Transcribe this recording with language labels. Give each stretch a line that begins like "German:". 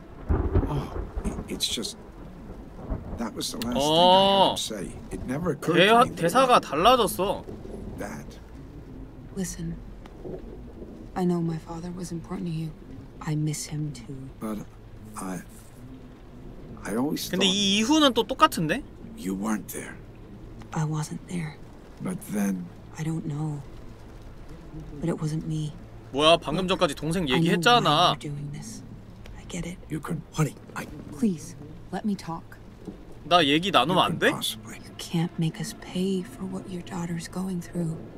English: Oh, it's just... That was the last thing I heard say. It never occurred to me.
Korean: 대사가 달라졌어.
English: That. Listen. I know my father was important to you. I miss him too. But I always thought...
Korean: 근데 이 이후는 또 똑같은데?
English: You weren't there. I wasn't there. But then... I don't know. But it wasn't me.
Korean: 뭐야, 방금 전까지 동생 얘기했잖아.
English: I know why you're doing this. I get it. You can... Honey, I... Please, let me talk.
Korean: 나 얘기 나누면 안 돼?
English: You can't make us pay for what your daughter's going through.